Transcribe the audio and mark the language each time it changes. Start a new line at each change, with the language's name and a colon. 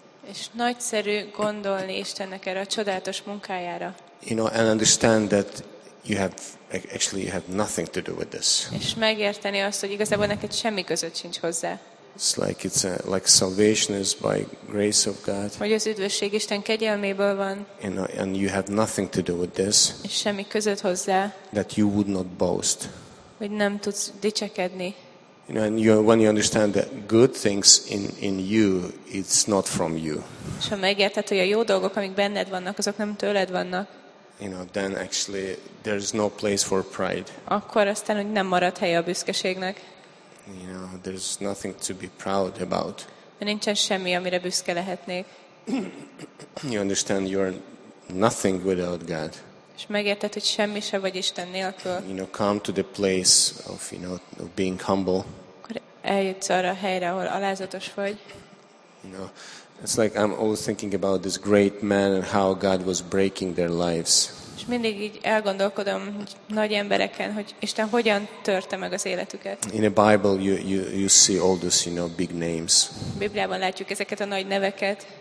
Hungarian: És nagyszerű gondolni Istennek erre a csodálatos munkájára.
English: You know, and understand that you have nothing to do with this.
Hungarian: És megérteni azt, hogy igazából neked semmi között sincs hozzá.
English: It's like salvation is by grace of God.
Hungarian: Hogy az üdvösség Isten kegyelméből van.
English: And you have nothing to do with this.
Hungarian: És semmi között hozzá.
English: That you would not boast.
Hungarian: Hogy nem tudsz dicsekedni.
English: You know, and you, when you understand that good things in you, it's not from you.
Hungarian: És ha megérted, hogy a jó dolgok, amik benned vannak, azok nem tőled vannak.
English: You know, then actually there is no place for pride.
Hungarian: Akkor aztán, hogy nem marad helye a büszkeségnek.
English: You know, there's nothing to be proud about.
Hungarian: Nincsen semmi, amire büszke lehetnék.
English: You understand you're nothing without God.
Hungarian: És megérted, hogy semmi se vagy Isten nélkül.
English: You know, come to the place of, you know, of being humble.
Hungarian: Akkor eljutsz arra a helyre, ahol alázatos vagy.
English: You know, it's like I'm always thinking about this great man and how God was breaking their lives.
Hungarian: És mindig így elgondolkodom nagy embereken, hogy Isten hogyan törte meg az életüket.
English: In the Bible you see all these, you know, big names.
Hungarian: Bibliában látjuk ezeket a nagy neveket.